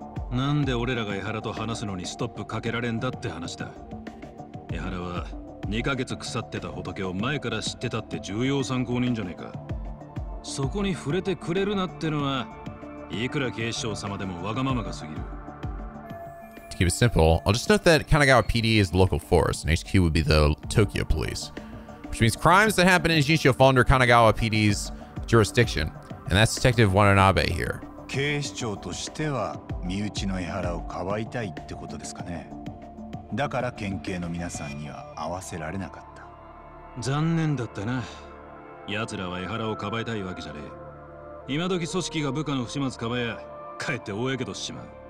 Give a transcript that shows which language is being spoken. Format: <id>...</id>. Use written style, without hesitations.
<ja>なんで俺らが江原と話すのにストップかけられんだって話だ。江原は2ヶ月腐ってた仏を前から知ってたって重要参考人じゃねえか。そこに触れてくれるなってのは、いくら警視庁様でもわがままがすぎる。</ja> <en>To keep it simple, I'll just note that Kanagawa PD is the local force, and HQ would be the Tokyo police. Which means crimes that happen in Jinshō fall under Kanagawa PD's jurisdiction, and that's Detective Watanabe here.</en> <ja>警視庁としては身内の江原をかばいたいってことですかね。だから県警の皆さんには合わせられなかった。残念だったな。奴らは江原をかばいたいわけじゃねえ。今時組織が部下の不始末かばや、かえって大やけどしまう。</ja>